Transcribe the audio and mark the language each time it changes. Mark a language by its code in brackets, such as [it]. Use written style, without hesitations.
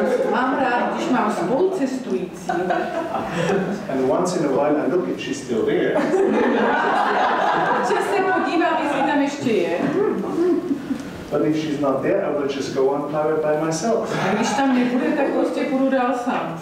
[cs] Mám rád, když mám spolucestující. [en] And once in a while I look and she's still there. [cs] Občas se podívám, jestli tam ještě je. [en] But if she's not there, I will just go on power by myself. [cs] A když tam nebude, tak prostě půjdu dál sám.